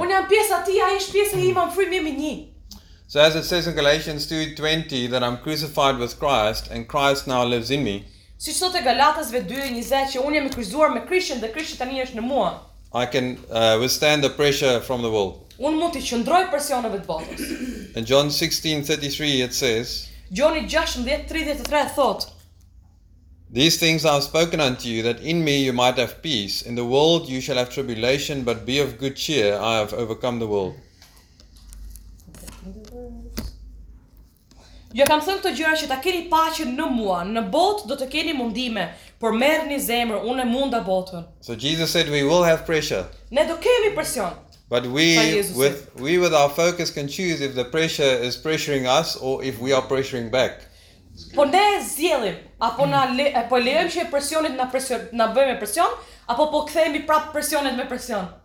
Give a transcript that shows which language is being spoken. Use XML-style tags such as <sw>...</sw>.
<sq>Unë jam pjesë atij, ai është pjesë ime,</sq> <en>I'm free</en> <sq>me një.</sq> <en>So as it says in Galatians 2:20 that I'm crucified with Christ and Christ now lives in me.</en> <sq>Siç thotë Galatasve 2:20 që unë jam I kryqëzuar me Krishtin dhe Krishti tani është në mua.</sq> <en>I can withstand the pressure from the world.</en> <sq>Unë mund të qëndroj presionet botës.</sq> <en>In John 16:33 it says,</en> <sq>Johni 16:33 thot,</sq> <en>These things I have spoken unto you, that in me you might have peace. In the world you shall have tribulation, but be of good cheer, I have overcome the world.</en> <sq>Ju kam thënë këto gjëra që ta keni paqen në mua, në botë do të keni mundime, por merrni zemër, unë e munda botën.</sq> <en>So Jesus said we will have pressure.</en> <sq>Ne do kemi presion.</sq> <en>But we with our focus can choose if the pressure is pressuring us or if we are pressuring back.</en> <sq>Po ne zgjellim apo na po lejmë që presionit na presion na bëjmë presion apo po kthehemi prapë presionet me presion.</sq>